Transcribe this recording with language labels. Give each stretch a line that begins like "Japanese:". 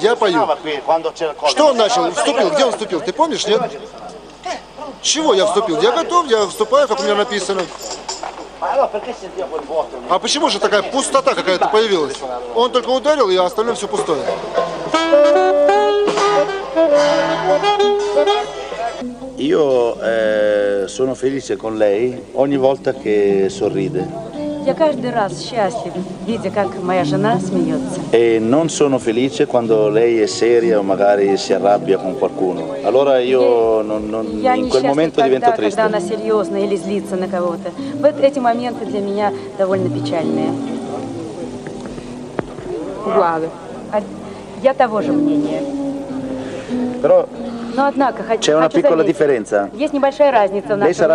Russian: Я пою. Что он начал? Вступил? Где он вступил? Ты помнишь, нет? Чего я вступил? Я готов, я вступаю, как у меня написано. А почему же такая пустота какая-то появилась? Он только ударил, и остальное все пустое.
Italian: Io sono felice con lei ogni volta che sorride.
Russian: Я каждый раз счастлив, видя как моя жена смеется.
Italian: E non sono felice quando lei è seria o magari si arrabbia con qualcuno. Allora io non in quel momento divento triste.
Russian: Когда она серьезна или злится на кого-то. Вот эти моменты для меня довольно печальные.
Italian: Uguale.
Russian: Я того же мнения.
Italian: Però
Russian: Но, однако,
Italian: c'è una piccola differenza.
Russian: Есть небольшая разница в нашем мнении.